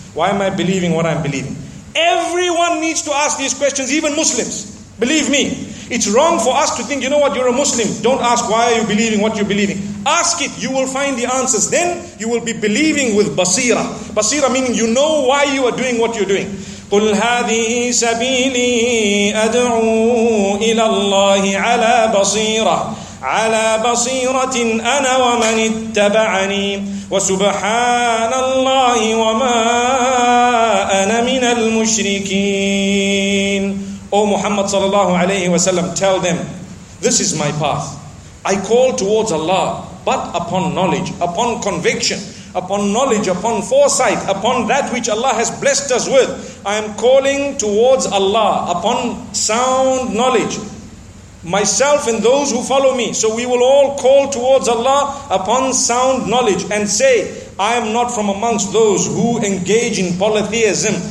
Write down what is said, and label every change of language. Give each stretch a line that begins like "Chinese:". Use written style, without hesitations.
English: Why am I believing what I'm believing? Everyone needs to ask these questions, even Muslims. Believe me. It's wrong for us to think, you know what, you're a Muslim. Don't ask why are you believing what you're believing. Ask it, you will find the answers. Then you will be believing with basira. Basira meaning you know why you are doing what you're doing.
Arabic: قُلْ هَذِهِ سَبِيلِي أَدْعُو إِلَى اللَّهِ عَلَى بَصِيرَةٍ عَلَى بَصِيرَةٍ أَنَا وَمَنِ اتَّبَعَنِي وَسُبْحَانَ اللَّهِ وَمَا أَنَا مِنَ الْمُشْرِكِينَ
English: O Muhammad sallallahu alayhi wa sallam, tell them, this is my path. I call towards Allah, but upon knowledge, upon conviction, upon knowledge, upon foresight, upon that which Allah has blessed us with. I am calling towards Allah upon sound knowledge. Myself and those who follow me. So we will all call towards Allah upon sound knowledge and say, I am not from amongst those who engage in polytheism.